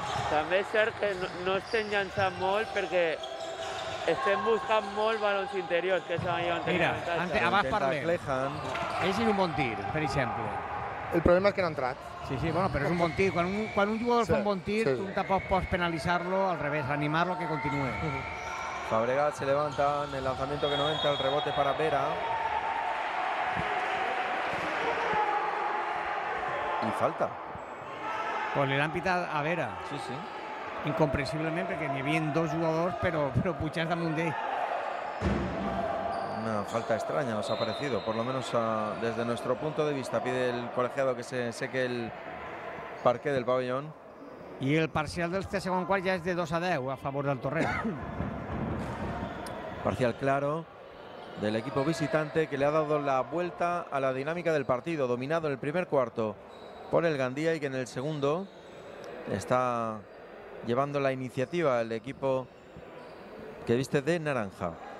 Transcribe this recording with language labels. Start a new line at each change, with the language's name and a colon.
Catalan: També és cert que no estem llançant molt perquè estem buscant molt balons interiors que s'han llevat. Mira, abans parlem. És un bon tir, per exemple. El problema és que no ha entrat. Sí, sí, bueno, però és un bon tir. Quan un jugador fa un bon tir, tu tampoc pots penalitzar-lo, al revés, animar-lo que continuï.
Spanish: Fabregat se levanta en el lanzamiento que no entra, el rebote para Vera. Y falta. Pues le han pitat a Vera. Sí, sí.
Catalan: Incomprensiblement, perquè n'hi havia dos jugadors, però pujats damunt d'ell.
Spanish: Una falta extraña nos ha parecido, por lo menos desde nuestro punto de vista. Pide el colegiado que se seque el parque del pabellón. Y el parcial del segundo cuarto ya es de 2-10 a favor del Torrent. Parcial claro del equipo visitante que le ha dado la vuelta a la dinámica del partido, dominado en el primer cuarto por el Gandía y que en el segundo está llevando la iniciativa el equipo que viste de naranja.